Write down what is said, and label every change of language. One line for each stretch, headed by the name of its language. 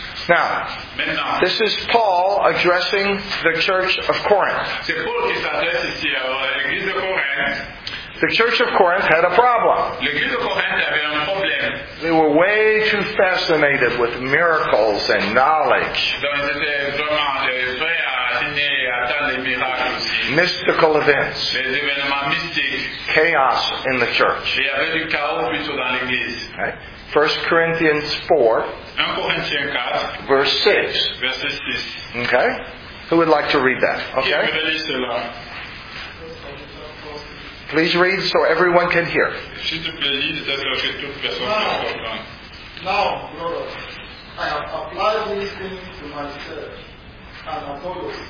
English: Now, this is Paul addressing the church of Corinth.
French: C'est Paul qui s'adresse ici à l'église de Corinth.
English: The church of Corinth had a problem.
French: L'église de Corinth avait un problème.
English: They were way too fascinated with miracles and knowledge.
French: Donc, ils étaient vraiment prêts à signer et attendre les miracles.
English: Mystical events.
French: Les événements mystiques.
English: Chaos in the church.
French: Il y avait du chaos plutôt dans l'église.
English: Right. 1 Corinthians 4, 1 Corinthians 4 verse 6. Verse 6. Okay? Who would like to read that? Okay? Please read so everyone can hear.
French: S'il te plaît, lis, peut-être que toute personne peut comprendre.
English: Now, brother, I have applied these things to myself and Apollos.